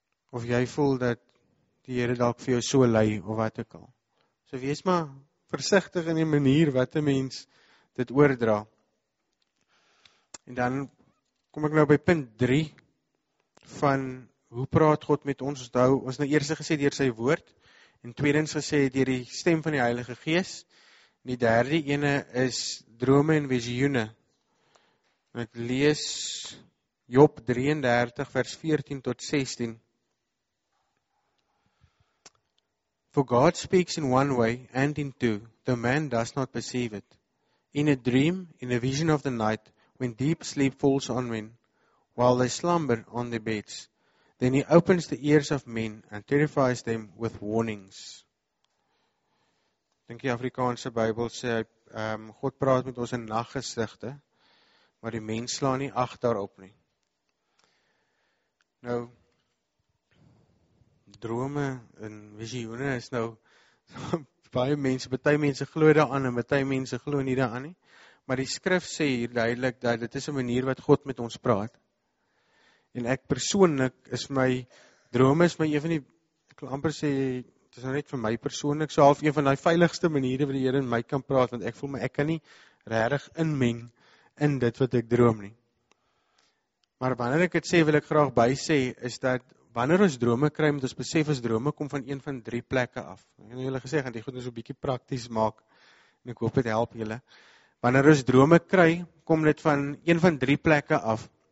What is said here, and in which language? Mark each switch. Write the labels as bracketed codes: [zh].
[af] Of jy voel dat die Here dalk vir jou so lei, of wat ek al. So wees maar versigtig in die manier wat die mens dit oordra. En dan kom ek nou by punt 3 van hoe praat God met ons. Ons nou eerste gesê deur sy woord, en tweedens gesê deur die stem van die Heilige Gees, en die derde ene is drome en visioene. En ek lees Job 33 vers 14 tot 16. [en] For God speaks in one way and in two, the man does not perceive it. In a dream, in a vision of the night, when deep sleep falls on men, while they slumber on their beds, then he opens the ears of men and terrifies them with warnings. [af] Dink die Afrikaanse Bybel sê, God praat met ons in naggesigte, maar die mens sla nie ag daarop nie. Nou, drome en visioene is nou, baie mense, baie mense glo daar aan en baie mense glo nie daar aan nie. Maar die skrif sê hier duidelik dat dit is 'n manier wat God met ons praat. En ek persoonlik is my drome is my een van die ek wil amper sê dit is nou net vir my persoonlik so half een van die veiligste maniere wat die Here in my kan praat, want ek voel my ek kan nie regtig inmeng in dit wat ek droom nie. Maar wanneer ek dit sê, wil ek graag by sê is dat wanneer ons drome kry, moet ons besef as drome kom van een van drie plekke af. Ek het julle gesê gaan dit goed is 'n bietjie prakties maak en ek hoop dit help julle. Wanneer ons drome kry, kom dit van een van drie plekke af.